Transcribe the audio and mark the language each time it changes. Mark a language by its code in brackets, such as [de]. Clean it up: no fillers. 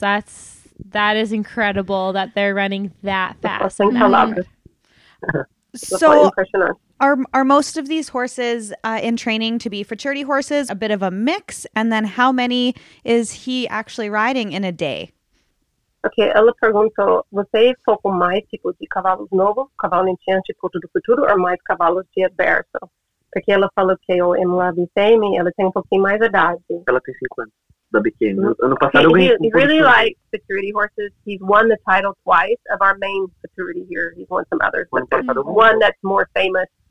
[en] That is incredible that they're running that fast. So are most of these horses in training to be futurity horses, a bit of a mix? And then how many is he actually riding in a day? [pt] Okay, ela perguntou, vocês focam mais tipo de cavalos novos, cavalo iniciante, culto do futuro, ou mais cavalos de aberto? Porque ela falou que o Emla Bissemi, ela tem um pouquinho mais idade. Ela tem 5 anos, da pequena. Ano passado eu ganhei. [en] He really likes futurity horses. He's won the title twice of our main futurity here. He's won some others, but there's one that's more famous.